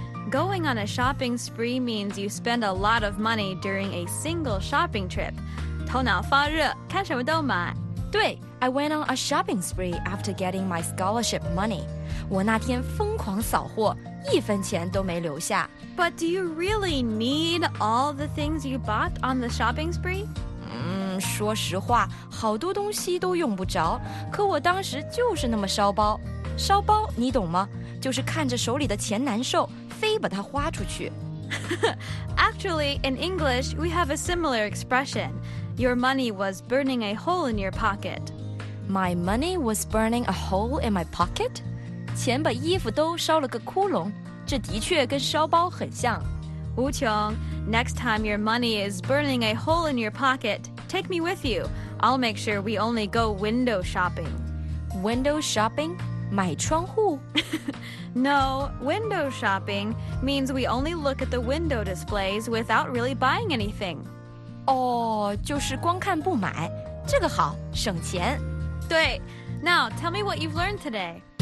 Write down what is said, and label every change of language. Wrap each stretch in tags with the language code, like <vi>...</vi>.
<en>Going on a shopping spree means you spend a lot of money during a single shopping trip.</en> <zh>头脑发热，看什么都买。对，</zh> <en>I went on a shopping spree after getting my scholarship money.</en> <zh>我那天疯狂扫货，一分钱都没留下。</zh> <en>But do you really need all the things you bought on the shopping spree?</en> <zh>说实话，好多东西都用不着，可我当时就是那么烧包。烧包你懂吗？就是看着手里的钱难受，非把它花出去。</zh> <en>Actually, in English, we have a similar expression. Your money was burning a hole in your pocket. My money was burning a hole in my pocket?</en> <zh>钱把衣服都烧了个窟窿，这的确跟烧包很像。</zh> <en>吴琼， next time your money is burning a hole in your pocket, take me with you. I'll make sure we only go window shopping. Window shopping?</en> <zh>买窗户</zh> <en>No, window shopping means we only look at the window displays without really buying anything.</en> <zh>就是光看不买，这个好，省钱。</zh> <en>对， Now, tell me what you've learned today.</en>